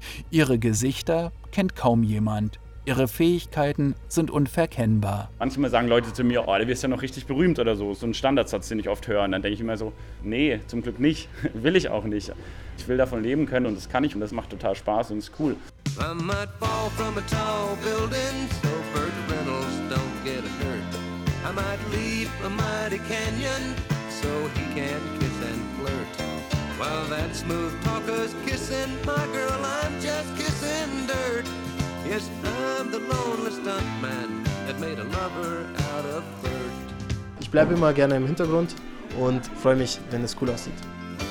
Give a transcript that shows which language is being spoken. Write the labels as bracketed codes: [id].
[de] Ihre Gesichter kennt kaum jemand. Ihre Fähigkeiten sind unverkennbar. Manchmal sagen Leute zu mir, oh, du wirst ja noch richtig berühmt oder so. So ein Standardsatz, den ich oft höre. Und dann denke ich immer so, nee, zum Glück nicht. Will ich auch nicht. Ich will davon leben können und das kann ich. Und das macht total Spaß und ist cool. [en] I might fall from a tall building, so Burt Reynolds don't get hurt. I might leap a mighty canyon, so he can kiss and flirt. While that smooth talker's kissing my girl, I'm just kissing dirt. Yes, I'm the lonely stuntman that made a lover out of Burt. [de] Ich bleibe immer gerne im Hintergrund und freue mich, wenn es cool aussieht.